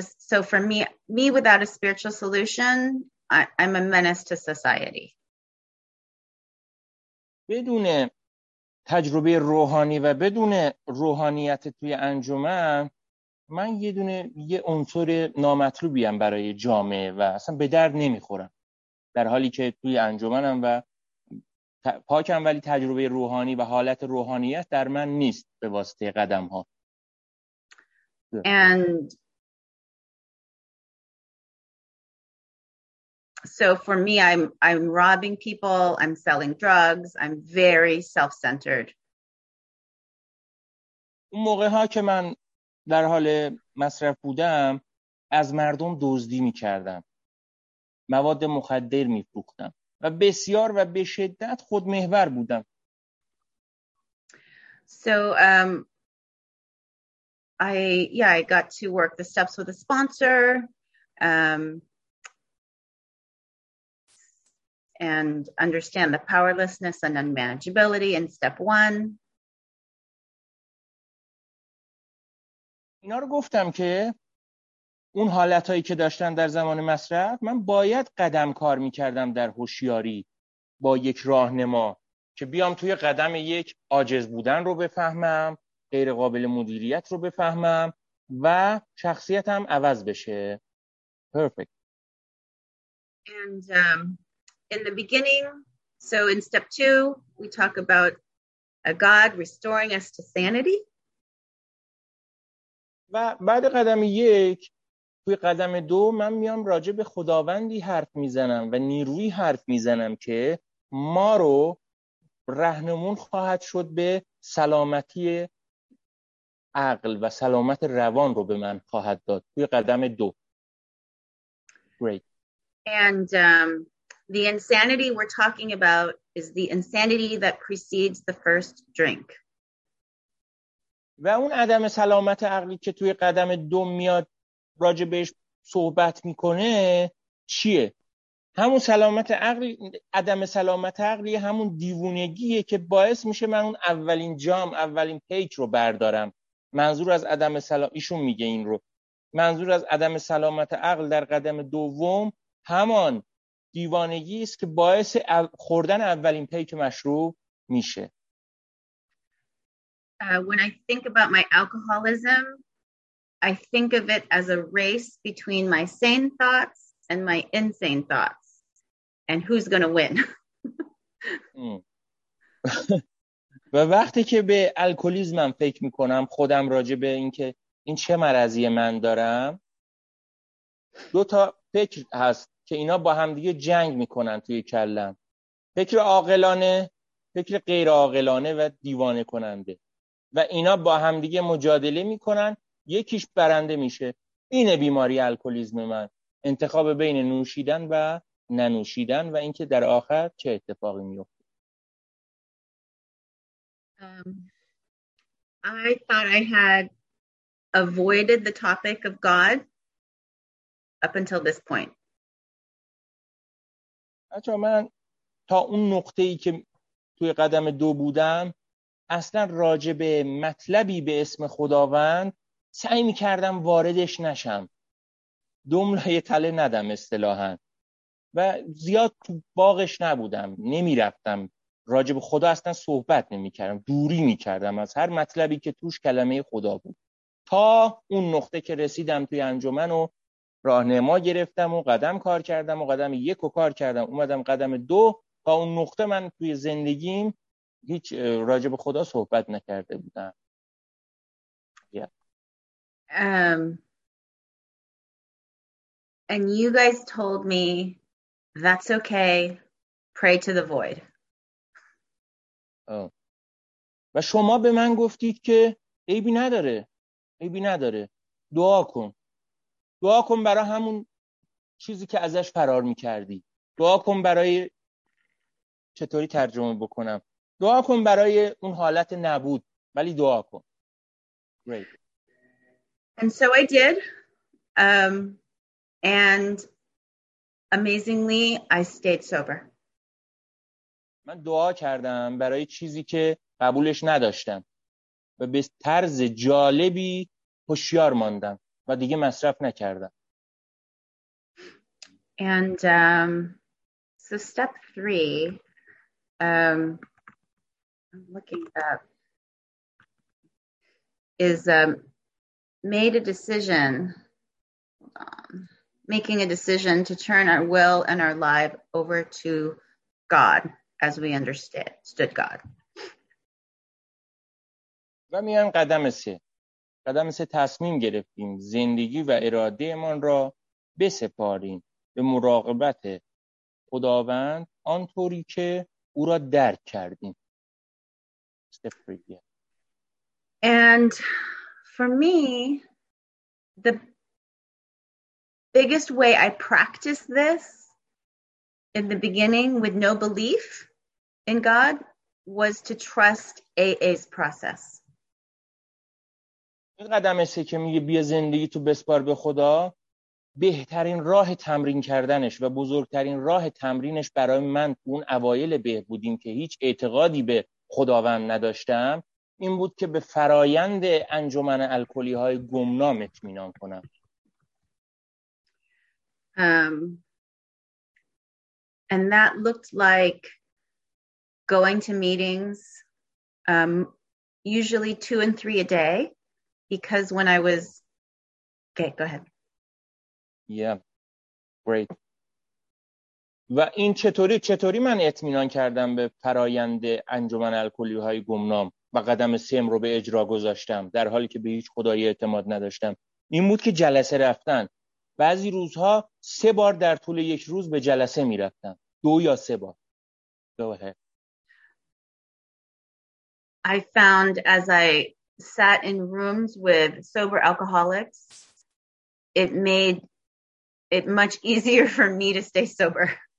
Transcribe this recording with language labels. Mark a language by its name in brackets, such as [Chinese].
[English] So for me without a spiritual solution, I'm a menace to society. [Persian] بدون تجربه روحانی و بدون روحانیت توی انجمن، من یه دونه یه عنصر نامطلوبیم برای جامعه و اصلا به درد نمیخورم، در حالی که توی انجمنم و پاکم، ولی تجربه روحانی و حالت روحانیت در من نیست به واسطه قدم ها. [English] And so for me, I'm robbing people, I'm selling drugs, I'm very self-centered. [Persian] اون موقع ها که من در حال مصرف بودم، از مردم دزدی می کردم، مواد مخدر می فروختم و بسیار و به شدت خودمحور بودم. [English] So I got to work the steps with a sponsor. And understand the powerlessness and unmanageability in step one. [Persian] اینا رو گفتم که اون حالتایی که داشتن در زمان مصرف، من باید قدم کار میکردم در هوشیاری با یک راهنما که بیام توی قدم یک عاجز بودن رو بفهمم، غیر قابل مدیریت رو بفهمم و شخصیتم عوض بشه. [English] Perfect. And in the beginning, so in step two, we talk about a God restoring us to sanity. [Persian] و بعد قدم یک توی قدم دو من میام راجع به خداوندی حرف میزنم و نیروی حرف میزنم که ما رو رهنمون خواهد شد به سلامتی عقل و سلامت روان رو به من خواهد داد توی قدم دو. [English] Great. And the insanity we're talking about is the insanity that precedes the first drink. [Persian] و اون عدم سلامت عقلی که توی قدم دو میاد راجع بهش صحبت میکنه چیه؟ همون سلامت عقلی، عدم سلامت عقلی همون دیوونگیه که باعث میشه من اون اولین جام، اولین پیک رو بردارم. منظور از عدم سلامت، ایشون میگه این رو، منظور از عدم سلامت عقل در قدم دوم همان دیوانگی است که باعث خوردن اولین پیک مشروب میشه. [English] When I think about my alcoholism, I think of it as a race between my sane thoughts and my insane thoughts. And who's going to win? [Persian] و وقتی که به الکلیزمم فکر میکنم، خودم راجع به اینکه این چه مرضی من دارم، دو تا فکر هست که اینا با هم دیگه جنگ میکنن توی کلم، فکر عاقلانه، فکر غیر عاقلانه و دیوانه کننده، و اینا با هم دیگه مجادله میکنن، یکیش برنده میشه. اینه بیماری الکلیزم من، انتخاب بین نوشیدن و ننوشیدن و اینکه در آخر چه اتفاقی میفته. [English] I thought I had avoided the topic of God up until this point. [Persian] آخه من تا اون نقطه‌ای که توی قدم دو بودم اصلا راجع به مطلبی به اسم خداوند سعی می‌کردم واردش نشم. دم لای تله ندم اصطلاحاً. و زیاد تو باغش نبودم، نمی‌رفتم. راجب خدا اصلا صحبت نمی کردم، دوری می کردم از هر مطلبی که توش کلمه خدا بود، تا اون نقطه که رسیدم توی انجمن و راهنما گرفتم و قدم کار کردم و قدم یک و کار کردم اومدم قدم دو، تا اون نقطه من توی زندگیم هیچ راجب خدا صحبت نکرده بودم. [English] Yeah. And you guys told me that's okay, pray to the void. [Persian] و شما به من گفتید که عیبی نداره، عیبی نداره، دعا کن، دعا کن برای همون چیزی که ازش فرار میکردی، دعا کن برای، چطوری ترجمه بکنم، دعا کن برای اون حالت نبود، ولی دعا کن. [English] Great. And so I did. And amazingly I stayed sober. [Persian] من دعا کردم برای چیزی که قبولش نداشتم و به طرز جالبی هوشیار ماندم و دیگه مصرف نکردم. [English] And so step 3 I'm looking up is made a decision. Hold on. Making a decision to turn our will and our life over to God. As we understood God. [Persian] و میان قدم سه تصمیم گرفتیم زندگی و اراده من را بسپاریم به مراقبت خداوند آنطوری که او را درک کردیم. [English] And for me, the biggest way I practiced this in the beginning with no belief in God was to trust AA's process. [Persian] این قدم سه که میگه بیا زندگی تو بسپار به خدا، بهترین راه تمرین کردنش و بزرگترین راه تمرینش برای من اون اوایل بهبودیم که هیچ اعتقادی به خداوند نداشتم این بود که به فرایند انجمن الکلی های گمنام اطمینان کنم. [English] And that looked like going to meetings, usually 2 and 3 a day, because when I was, okay, go ahead. Yeah, great. [Persian] و این چطوری من اطمینان کردم به فرآیند انجمن الکلی‌های گمنام و قدم سوم رو به اجرا گذاشتم در حالی که به هیچ خدایی اعتماد نداشتم؟ این بود که جلسه رفتن. بعضی روزها سه بار در طول یک روز به جلسه می رفتم. دو یا سه بار. دوباره. [English] I found as I sat in rooms with sober alcoholics, it made it much easier for me to stay sober.